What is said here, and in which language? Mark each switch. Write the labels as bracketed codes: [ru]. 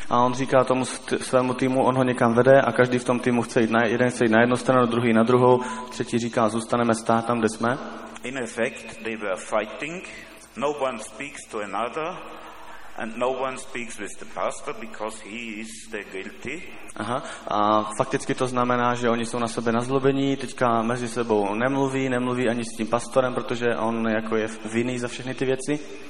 [cs] A on říká tomu svému týmu, on ho někam vede a každý v tom týmu chce jít. Jeden chce jít na jednu stranu, druhý na druhou. Třetí říká, zůstaneme stát tam, kde jsme. [en] In effect, they were fighting. No one speaks to another. And no one speaks with the pastor because he is the guilty. Aha. [cs] A fakticky to znamená, že oni jsou na sebe nazlobení, teďka mezi sebou nemluví ani s tím pastorem, protože on jako je vinný za všechny ty věci.